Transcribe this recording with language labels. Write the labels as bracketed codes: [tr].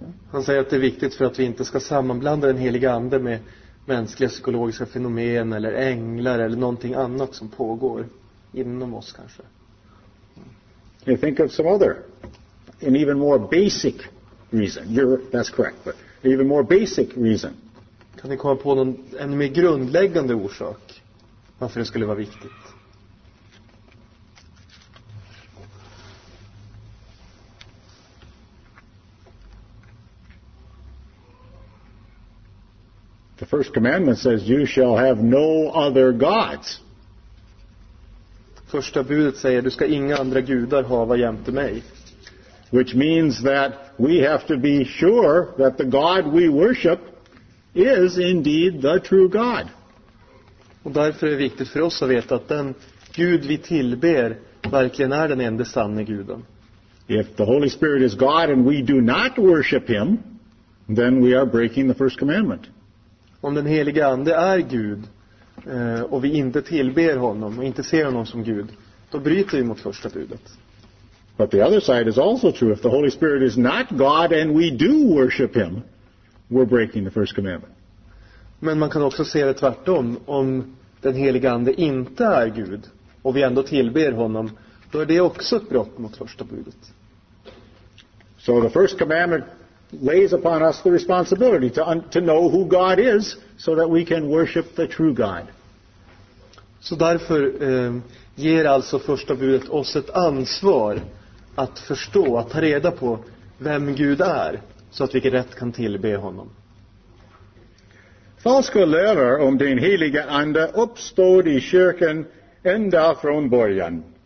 [sv] Han säger att det är viktigt för att vi inte ska sammanblanda den heliga ande med mänskliga psykologiska fenomen eller änglar eller någonting annat som pågår inom oss kanske. [en] You think of some other an even more basic reason. That's correct, but an even more basic reason. [sv] Kan ni komma på någon ännu mer grundläggande orsak varför det skulle vara viktigt? [en] The first commandment says you shall have no other gods. [sv] Första budet säger du ska inga andra gudar hava jämte mig. [en] Which means that we have to be sure that the god we worship is indeed the true god. [sv] Och därför är det viktigt för oss att veta att den Gud vi tillber verkligen är den enda sanna guden. [en] If the Holy Spirit is God and we do not worship him, then we are breaking the first commandment. [sv] Om den helige ande är Gud och vi inte tillber honom och inte ser honom som Gud, då bryter vi mot första budet. [en] But the other side is also true. If the Holy Spirit is not God and we do worship him, we're breaking the first commandment. [sv] Men man kan också se det tvärtom. Om den helige ande inte är Gud och vi ändå tillber honom, då är det också ett brott mot första budet. [en] So the first commandment lays upon us the responsibility to know who God is so that we can worship the true God. [sv] Så därför ger alltså första budet oss ett ansvar att förstå, att ta reda på vem Gud är så att vi rätt kan tillbe honom. Falska lärare om den heliga ande uppstod i kyrkan ända från början.